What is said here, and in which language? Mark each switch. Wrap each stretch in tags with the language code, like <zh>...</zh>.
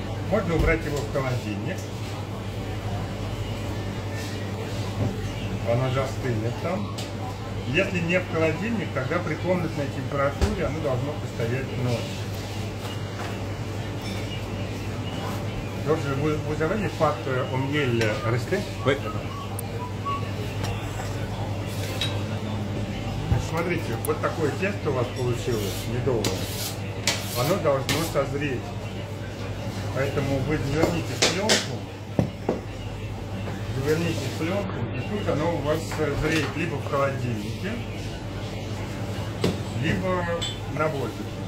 <ru>Можно убрать его в холодильник. Оно застынет там. Если не в холодильник, тогда при комнатной температуре оно должно постоять ночь.</ru> <fr>Georges, vous avez les pâtes au miel restées? Oui.</fr> <ru>Смотрите, вот такое тесто у вас получилось медовое. Оно должно созреть. Поэтому вы заверните пленку. Заверните пленку, и тут оно у вас созреет либо в холодильнике, либо на воздухе.</ru>